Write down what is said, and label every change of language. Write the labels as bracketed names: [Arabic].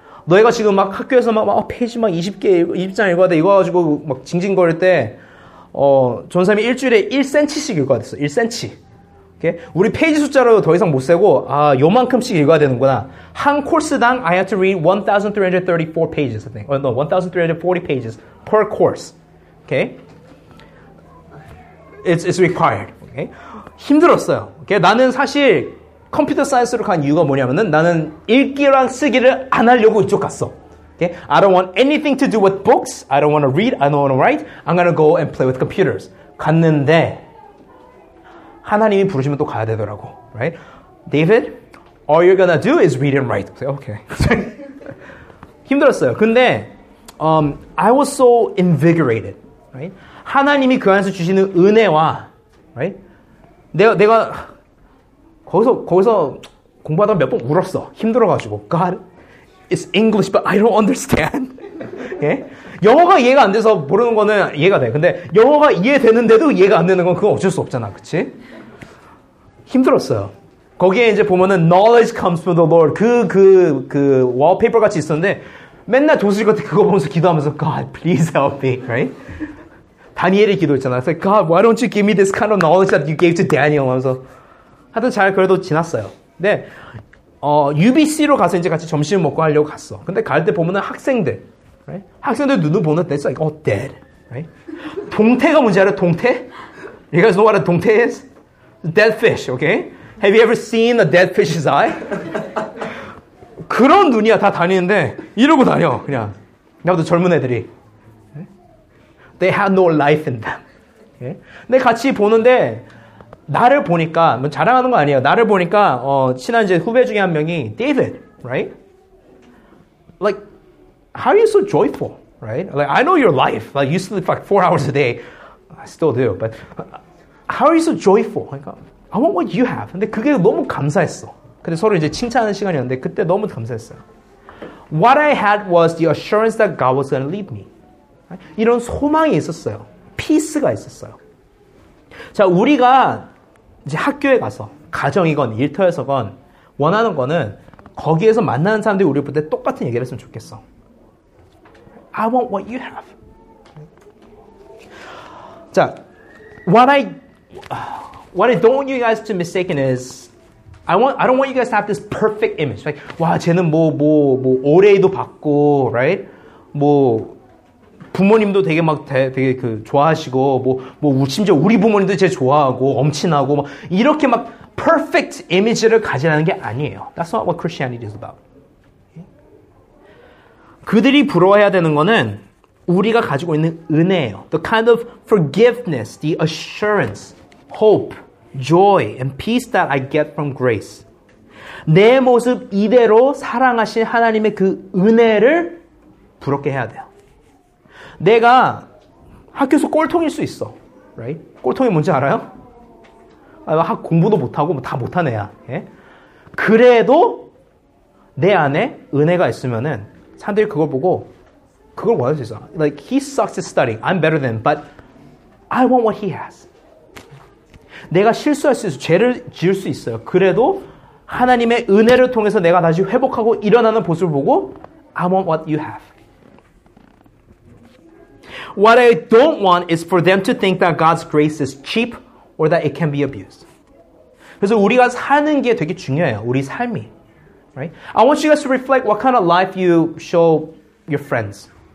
[Korean] 너희가 지금 막 학교에서 막, 페이지 막 20개, 20장 읽어야 돼. 이거 가지고 막 징징거릴 때, 전쌤이 일주일에 1cm씩 읽어야 됐어. 1cm. 오케이? 우리 페이지 숫자로 더 이상 못 세고, 아, 요만큼씩 읽어야 되는구나. 한 코스당 [English] I had to read 1,334 pages, I think. 1,340 pages per course. 오케이? It's required. 오케이? [Korean] 힘들었어요. [English] 오케이? [Korean] 나는 사실, 컴퓨터 사이언스로 간 이유가 뭐냐면은 나는 읽기랑 쓰기를 안 하려고 이쪽 갔어. [English] Okay? I don't want anything to do with books. I don't want to read. I don't want to write. I'm gonna go and play with computers. [Korean] 갔는데 하나님이 부르시면 또 가야 되더라고. [English] Right? David, all you're gonna do is read and write. Okay. okay. [Korean] 힘들었어요. 근데 [English] I was so invigorated. Right? [Korean] 하나님이 그 안에서 주시는 은혜와 right? 내가 거기서 공부하다 몇 번 울었어. 힘들어가지고. [English] God, it's English, but I don't understand. [Korean] 예? 영어가 이해가 안 돼서 모르는 거는 이해가 돼. 근데 영어가 이해되는데도 이해가 안 되는 건 그건 어쩔 수 없잖아. 그치? 힘들었어요. 거기에 이제 보면은 [English] knowledge comes from the Lord. [Korean] 그 wallpaper 같이 있었는데 맨날 도서실 같은 그거 보면서 기도하면서 [English] God, please help me. [Korean] Right? 다니엘이 기도했잖아. [English] Like, God, why don't you give me this kind of knowledge that you gave to Daniel? [Korean] 하면서 하여튼 잘 그래도 지났어요. 근데 UBC로 가서 이제 같이 점심을 먹고 하려고 갔어. 근데 갈 때 보면은 학생들. Right? 학생들 눈을 보는 데 있어. [English] Like, oh, dead. [Korean] Right? 동태가 뭔지 알아? 동태? [English] You guys know what a 동태 is? Dead fish, okay? Have you ever seen a dead fish's eye? [Korean] 그런 눈이야. 다 다니는데 이러고 다녀. 그냥. 나보다 젊은 애들이. [English] They had no life in them. [Korean] 근데 같이 보는데 나를 보니까 뭐 자랑하는 거 아니에요. 나를 보니까 친한 이제 후배 중에 한 명이 David, right? [English] Like, how are you so joyful, right? Like, I know your life. Like, you sleep like 4 hours a day. I still do, but how are you so joyful? Like, I want what you have. [Korean] 근데 그게 너무 감사했어. 근데 서로 이제 칭찬하는 시간이었는데 그때 너무 감사했어요. [English] What I had was the assurance that God was going to lead me. [Korean] 이런 소망이 있었어요. 피스가 있었어요. 자, 우리가 이제 학교에 가서 가정이건 일터에서건 원하는 거는 거기에서 만나는 사람들이 우리 볼 때 똑같은 얘기를 했으면 좋겠어. [English] I want what you have. 자, what I don't want you guys to mistake is I don't want you guys to have this perfect image. [Korean] Like, 와, 쟤는 뭐 오레이도 받고, right? 뭐 부모님도 되게 막 되게 그 좋아하시고 심지어 우리 부모님도 제일 좋아하고 엄친하고 막 이렇게 막 perfect image를 가지라는 게 아니에요. [English] That's not what Christianity is about. [Korean] 그들이 부러워해야 되는 거는 우리가 가지고 있는 은혜예요. [English] The kind of forgiveness, the assurance, hope, joy, and peace that I get from grace. [Korean] 내 모습 이대로 사랑하신 하나님의 그 은혜를 부럽게 해야 돼요. 내가 학교에서 꼴통일 수 있어. Right? 꼴통이 뭔지 알아요? 공부도 못하고 다 못한 애야. 예? 그래도 내 안에 은혜가 있으면은 사람들이 그걸 보고 그걸 원할 수 있어. [English] Like, he sucks at studying. I'm better than him. But I want what he has. [Korean] 내가 실수할 수 있어. 죄를 지을 수 있어요. 그래도 하나님의 은혜를 통해서 내가 다시 회복하고 일어나는 모습을 보고 [English] I want what you have. What I don't want is for them to think that God's grace is cheap or that it can be abused. [Korean] 그래서 우리가 사는 게 되게 중요해요. 우리 삶이. Right? [English] I want you guys to reflect what kind of life you show your friends.